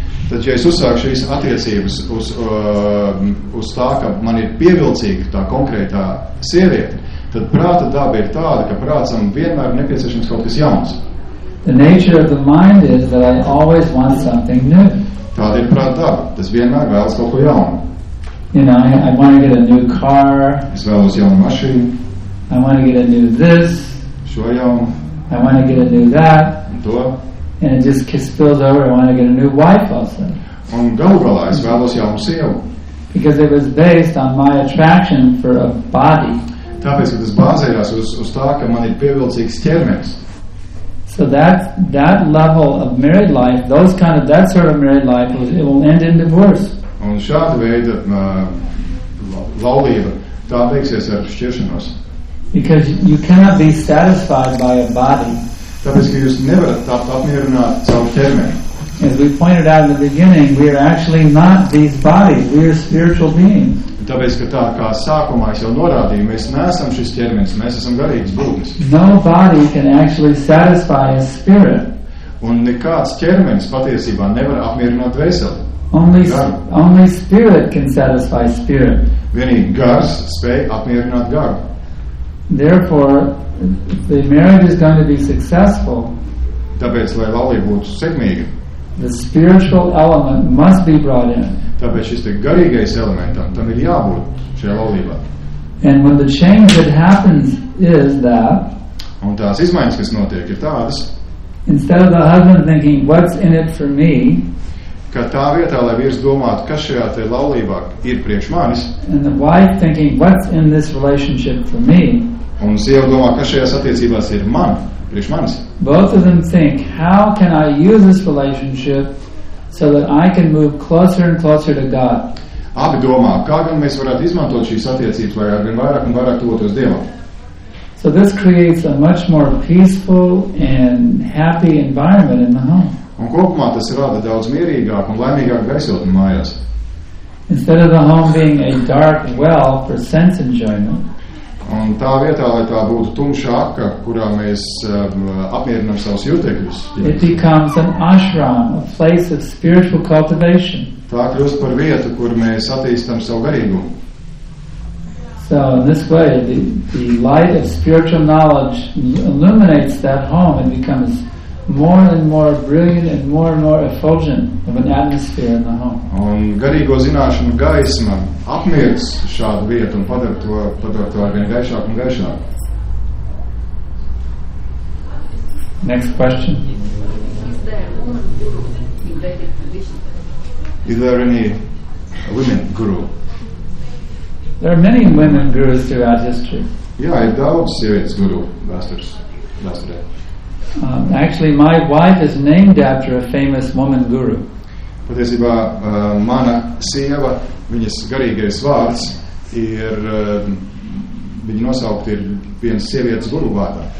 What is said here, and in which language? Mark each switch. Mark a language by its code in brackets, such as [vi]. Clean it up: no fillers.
[lv] Taču, ja es uzsāku šīs attiecības uz tā, ka man ir pievilcīga tā konkrētā sieviete, tad prāta daba ir tāda, ka prātam vienmēr nepieciešams kaut kas jauns. [en] The nature of the mind is that I always want something new. [lv] Tāda ir prāta daba. Tas vienmēr vēlas kaut ko jaunu. [en] You know, I want to get a new car. [lv] Es vēlos jaunu mašīnu. [en] I want to get a new this. [lv] Šo jaunu. [en] I want to get a new that. [lv] Un to. [en] And it just spills over, I want to get a new wife also. [lv] Un galu galā es vēlos jaunu sievu. [en] Because it was based on my attraction for a body. [lv] Tāpēc, ka tas bāzējās uz tā, ka man ir pievilcīgs ķermenis. [en] So that level of married life, those kind of, that sort of married life, it will end in divorce. [lv] Un šāda veida laulība, tā beigsies ar šķiršanos. [en] Because you cannot be satisfied by a body. [lv] Tāpēc, ka jūs nevarat tapt apmierināt savu ķermeni. [en] As we pointed out in the beginning, we are actually not these bodies, we are spiritual beings. [lv] Tāpēc, ka tā kā sākumā es jau norādīju, mēs neesam šis ķermenis, mēs esam garīgas būtnes. [en] No body can actually satisfy a spirit. [lv] Un nekāds ķermenis patiesībā nevar apmierināt dvēseli. [en] Only spirit can satisfy spirit. [lv] Vienīgi gars spēj apmierināt garu. [en] Therefore, the marriage is going to be successful. [lv] Tāpēc, lai laulība būtu sekmīga, [en] the spiritual element must be brought in. [lv] Tāpēc šis te garīgais elementam, tam ir jābūt šajā laulībā. [en] And when the change that happens is that [lv] un tās izmaiņas, kas notiek, ir tādas [en] instead of the husband thinking, what's in it for me [lv] ka tā vietā, lai vīrs domātu, kas šajā te laulībā ir priekš manis [en] and the wife thinking, what's in this relationship for me [lv] un sieva domā, kas šajās attiecībās ir man, priekš manis [en] both of them think, how can I use this relationship so that I can move closer and closer to God. [lv] Abi domā, kā gan mēs varētu izmantot šīs attiecības, lai arvien vairāk un vairāk tuvotos Dievam. [en] So this creates a much more peaceful and happy environment in the home. [lv] Un kopumā tas rada daudz mierīgāk un laimīgāk gaisot mājās. [en] Instead of the home being a dark well for sense enjoyment, [lv] un tā vietā, lai tā būtu tumšāka, kurā mēs apmierinām savus jūtekļus. [en] It becomes an ashram, a place of spiritual cultivation. [lv] Tā kļūst par vietu, kur mēs attīstam savu garīgumu. [en] So, in this way, the light of spiritual knowledge illuminates that home and becomes more and more brilliant and more effulgent of an atmosphere in the home. [lv] Un garīgo zināšanu gaisma apmierc šādu vietu un padar to arvien gaišāku un gaišāku. [en] Next question. Is there any women guru? There are many women gurus throughout history. [lv] Jā, ir daudz sievietes guru vēsturē. [en] Actually, my wife is named after a famous woman guru. [lv] Patiesībā, mana sieva, viņas garīgais vārds, ir, viņa nosaukta ir vienas sievietes guru vārdā.